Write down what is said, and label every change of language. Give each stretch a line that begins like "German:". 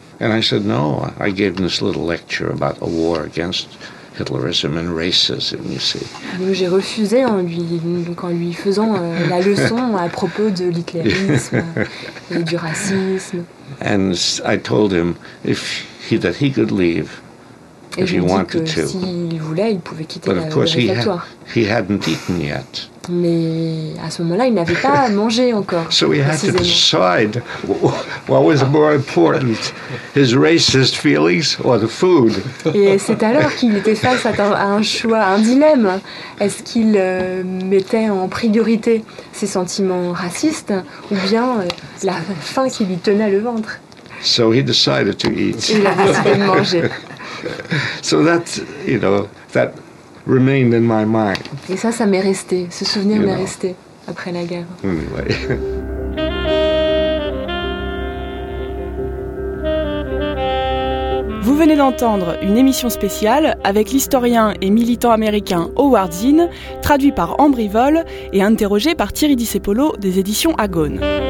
English: And I said, "No, I gave this little lecture about a war against Hitlerism and racism, you see."
French: Donc j'ai refusé en lui faisant la leçon à propos de l'hitlérisme et du racisme.
English: And I told him that he could leave.
French: Et je lui ai dit que s'il voulait, il pouvait quitter le réfectoire.
English: He hadn't eaten yet.
French: Mais à ce moment-là, il n'avait pas mangé encore.
English: So he had to decide what was more important, his racist feelings or the food.
French: Et c'est alors qu'il était face à un choix, un dilemme. Est-ce qu'il mettait en priorité ses sentiments racistes ou bien la faim qui lui tenait le ventre?
English: So he decided to eat.
French: Il a décidé de manger.
English: So that, you know, that remained in my mind.
French: Et ça, ça m'est resté. Ce souvenir m'est resté après la guerre.
English: Anyway.
French: Vous venez d'entendre une émission spéciale avec l'historien et militant américain Howard Zinn, traduit par Ambre Ivol et interrogé par Thierry Di Cepolo des éditions Agone.